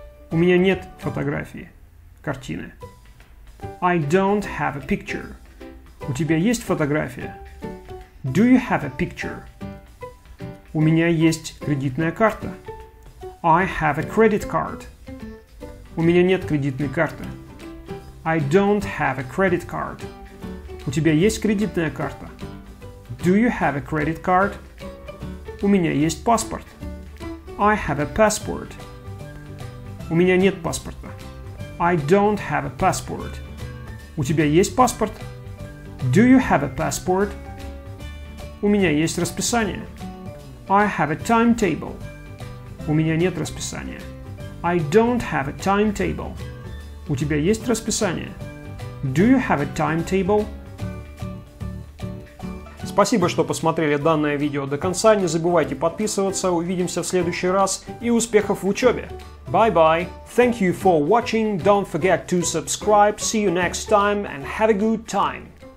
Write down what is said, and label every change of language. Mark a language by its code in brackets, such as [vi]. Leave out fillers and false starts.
[ru] У меня нет фотографии, картины. [en] I don't have a picture. [ru] У тебя есть фотография? [en] Do you have a picture? [ru] У меня есть кредитная карта. [en] I have a credit card. [ru] У меня нет кредитной карты. [en] I don't have a credit card. [ru] У тебя есть кредитная карта? [en] Do you have a credit card? [ru] У меня есть паспорт. [en] I have a passport. [ru] У меня нет паспорта. [en] I don't have a passport. [ru] У тебя есть паспорт? [en] Do you have a passport? [ru] У меня есть расписание. [en] I have a timetable. [ru] У меня нет расписания. [en] I don't have a timetable. [ru] У тебя есть расписание? [en] Do you have a timetable? [ru] Спасибо, что посмотрели данное видео до конца. Не забывайте подписываться. Увидимся в следующий раз. И успехов в учебе! [en] Bye-bye. Thank you for watching. Don't forget to subscribe. See you next time and have a good time.